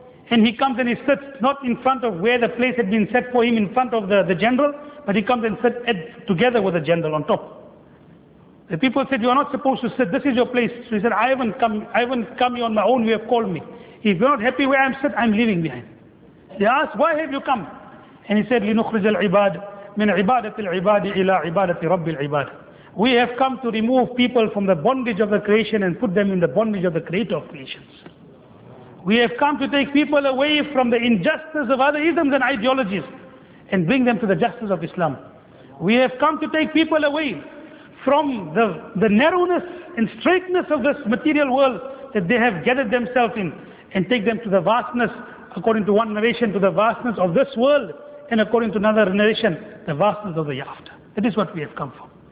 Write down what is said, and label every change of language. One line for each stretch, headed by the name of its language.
English: And he comes and he sits not in front of where the place had been set for him in front of the general, but he comes and sits together with the general on top. The people said, "You are not supposed to sit. This is your place." So he said, I haven't come here on my own. You have called me." If you're not happy where I'm sitting, I'm leaving behind. They asked, why have you come? And he said,
Arabic: لِنُخْرِجَ الْعِبَادِ مِنْ عِبَادَةِ الْعِبَادِ إِلَىٰ عِبَادَةِ رَبِّ الْعِبَادِ.
English: We have come to remove people from the bondage of the creation and put them in the bondage of the creator of creations. We have come to take people away from the injustice of other isms and ideologies and bring them to the justice of Islam. We have come to take people away from the narrowness and straightness of this material world that they have gathered themselves in and take them to the vastness, according to one narration, to the vastness of this world, and according to another narration, the vastness of the hereafter. That is what we have come for.